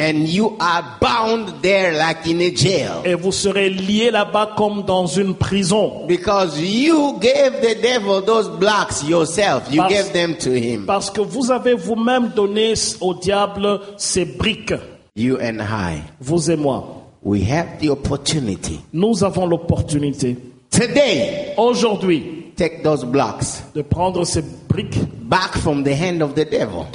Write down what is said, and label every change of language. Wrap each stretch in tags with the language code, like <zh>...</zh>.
<en>and you are bound there like in a jail,</en> <fr>et vous serez lié là-bas comme dans une prison,</fr> <en>because you gave the devil those blocks yourself, you gave them to him,</en> <fr>parce que vous avez vous-même donné au diable ces briques,</fr> <en>you and I,</en> <fr>vous et moi,</fr> <en>we have the opportunity,</en> <fr>nous avons l'opportunité,</fr> <en>today,</en> <fr>aujourd'hui.</fr> <en>Take those blocks</en> <fr>de prendre ces briques</fr> <en>back from the hand of the devil,</en>